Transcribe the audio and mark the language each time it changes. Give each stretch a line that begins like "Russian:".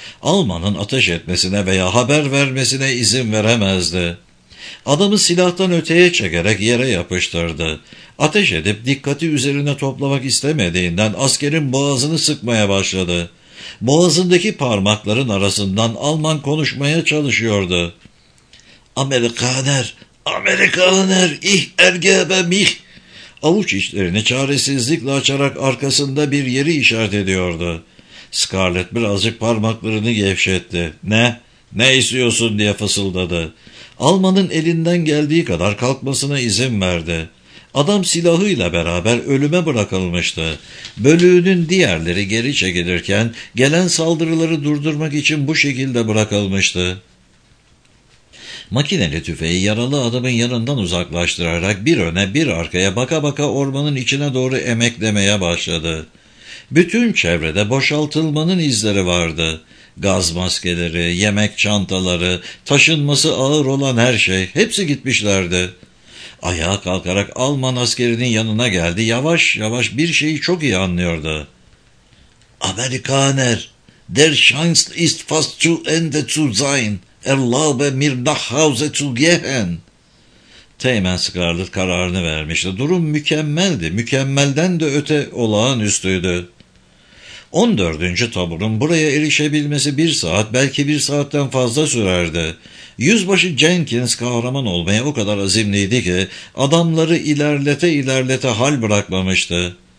Turkish: Alman'ın ateş etmesine veya haber vermesine izin veremezdi. Adamı silahtan öteye çekerek yere yapıştırdı. Ateş edip dikkati üzerine toplamak istemediğinden askerin boğazını sıkmaya başladı. Boğazındaki parmakların arasından Alman konuşmaya çalışıyordu.
German: ''Amerikaner, Amerikaner, ich ergebe mich!''
Turkish: Avuç içlerini çaresizlikle açarak arkasında bir yeri işaret ediyordu. Scarlett birazcık parmaklarını gevşetti. ''Ne? Ne istiyorsun?'' diye fısıldadı. Alman'ın elinden geldiği kadar kalkmasına izin verdi. Adam silahıyla beraber ölüme bırakılmıştı. Bölüğünün diğerleri geri çekilirken gelen saldırıları durdurmak için bu şekilde bırakılmıştı. Makineli tüfeği yaralı adamın yanından uzaklaştırarak bir öne bir arkaya baka baka ormanın içine doğru emeklemeye başladı. Bütün çevrede boşaltılmanın izleri vardı. Gaz maskeleri, yemek çantaları, taşınması ağır olan her şey, hepsi gitmişlerdi. Ayağa kalkarak Alman askerinin yanına geldi, yavaş yavaş bir şeyi çok iyi anlıyordu.
German: ''Amerikaner, der Schanz ist fast zu Ende zu sein, erlaube mir nach Hause zu gehen.''
Turkish: Teğmen Scarlett kararını vermişti. Durum mükemmeldi, mükemmelden de öte olağanüstüydü. 14. taburun buraya erişebilmesi bir saat, belki bir saatten fazla sürerdi. Yüzbaşı Jenkins kahraman olmaya o kadar azimliydi ki adamları ilerlete ilerlete hal bırakmamıştı.